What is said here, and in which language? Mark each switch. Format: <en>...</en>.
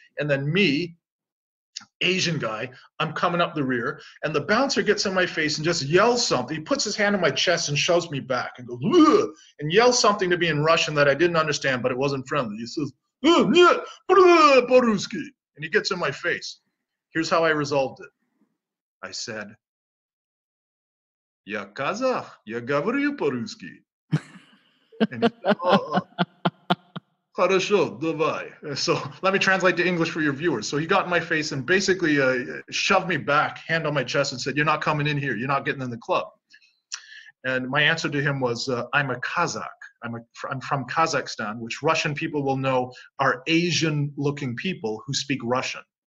<en>And then me, Asian guy, I'm coming up the rear, and the bouncer gets in my face and just yells something. He puts his hand on my chest and shoves me back and goes, ugh, and yells something to me in Russian that I didn't understand, but it wasn't friendly. He says, Boruski, and he gets in my face. Here's how I resolved it. I said,</en> <ru>Я казах, я говорю по-русски.</ru> <en>And he said, So let me translate to English for your viewers. So he got in my face and basically shoved me back, hand on my chest, and said, you're not coming in here. You're not getting in the club. And my answer to him was, I'm a Kazakh. I'm from Kazakhstan, which Russian people will know are Asian-looking people who speak Russian.</en>